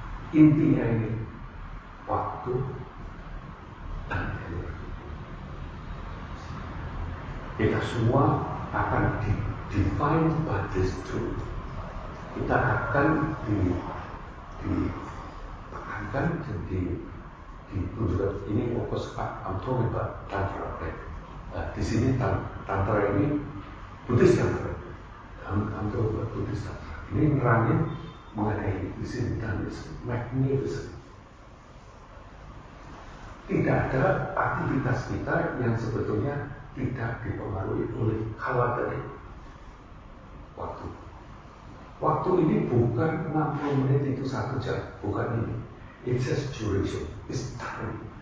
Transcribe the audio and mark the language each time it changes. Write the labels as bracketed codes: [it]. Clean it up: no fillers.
[id] Intinya ini waktu dan energi. Kita semua akan [en] defined by this truth. [id] Kita akan ditekankan dan ditunjukkan. Ini fokus [en] I'm talking about tantra, right? [id] Di sini tantra ini Buddhist tantra. [en] I'm talking about Buddhist tantra. [id] Ini ngerangin mengenai [en] this in time is magnificent. [id] Tidak ada aktivitas kita yang sebetulnya tidak dipengaruhi oleh kala tadi, waktu. Waktu ini bukan 60 menit itu 1 jam, bukan ini. [en] It's just duration, it's time.